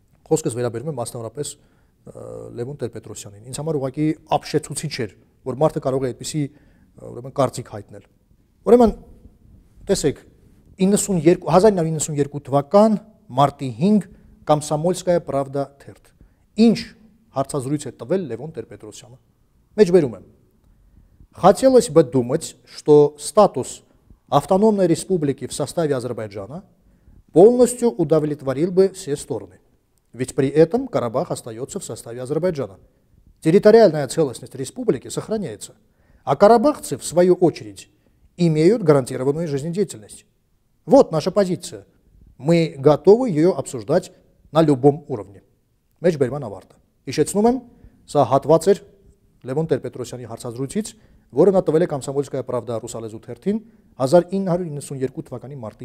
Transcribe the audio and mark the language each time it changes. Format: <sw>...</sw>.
<hy>Խոսքս վերաբերում է մասնավորապես Լևոն Տեր-Պետրոսյանին։ Ինձ համար ուղղակի ապշեցուցիչ էր, որ մարդը կարող է այդպեսի, ուրեմն, կարծիք հայտնել։ Ուրեմն տեսեք, 1992 թվական մարտի 5 Կամսամոլսկայա Պրավդա թերթ։ Ինչ հարցազրույց է տվել Լևոն Տեր-Պետրոսյանը։ Մեջբերում եմ։</hy> <ru>Хотелось бы думать, что статус автономной республики в составе Азербайджана полностью удовлетворил бы все стороны. Ведь при этом Карабах остается в составе Азербайджана. Территориальная целостность республики сохраняется, а карабахцы, в свою очередь, имеют гарантированную жизнедеятельность. Вот наша позиция. Мы готовы ее обсуждать на любом уровне.</ru> <hy>Մեջբերման ավարտը։ Հիշեցնում եմ, սա հատված էր Լևոն Տեր-Պետրոսյանի հարցազրույցից, որը նա տվել է Կամսամոլսկայա Պրավդա ռուսալեզու թերթին 1992 թվականի</hy>